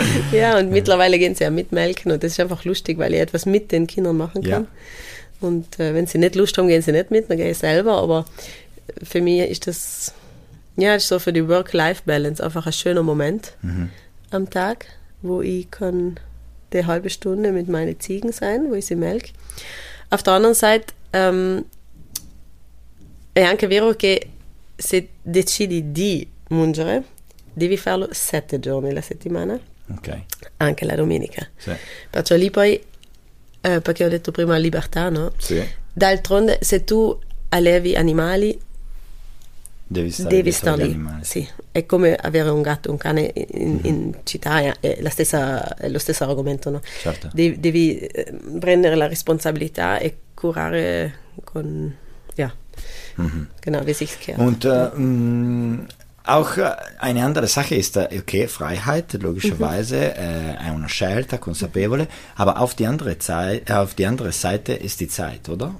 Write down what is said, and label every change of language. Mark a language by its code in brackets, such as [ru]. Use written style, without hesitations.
[de] Ja, und mittlerweile gehen sie ja mitmelken und das ist einfach lustig, weil ich etwas mit den Kindern machen kann. Ja. Und wenn sie nicht Lust haben, gehen sie nicht mit, dann gehe ich selber. Aber für mich ist das, ja, ist so für die Work-Life-Balance einfach ein schöner Moment am Tag, wo ich kann die halbe Stunde mit meinen Ziegen sein, wo ich sie melke. Auf der anderen Seite, [it] anche vero che se decidi di mungere, devi farlo 7 giorni la settimana, okay. Anche la domenica. Sì. Perciò lì poi, perché ho detto prima libertà, no? Sì. D'altronde, se tu allevi animali, devi stare lì. Sì. È come avere un gatto, un cane in città, è lo stesso argomento, no? Certo. Devi prendere la responsabilità e curare con... [de] Ja. Genau, wie sich's gehört. Und auch eine andere Sache ist, okay, Freiheit, logischerweise, eine [it] scelta consapevole, [de] aber auf die andere Seite ist die Zeit, oder?